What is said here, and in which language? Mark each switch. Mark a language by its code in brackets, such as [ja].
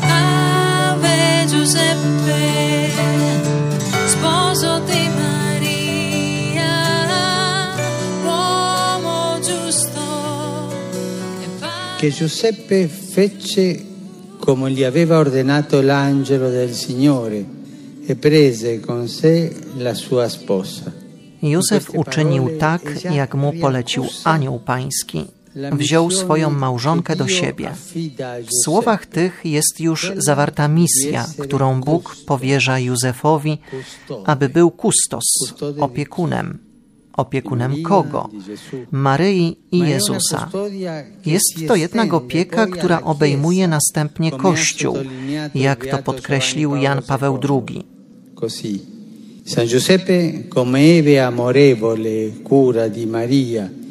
[it] Ave Giuseppe, sposo di Maria, uomo giusto. Che Giuseppe fece come gli aveva ordinato l'angelo del Signore e prese con sé la sua sposa. [pl] Józef uczynił tak, jak mu polecił anioł pański. Wziął swoją małżonkę do siebie. W słowach tych jest już zawarta misja, którą Bóg powierza Józefowi, aby był kustos, opiekunem. Opiekunem kogo? Maryi i Jezusa. Jest to jednak opieka, która obejmuje następnie Kościół, jak to podkreślił Jan Paweł II. [it] Così. San Giuseppe, come ebbe amorevole cura di Maria,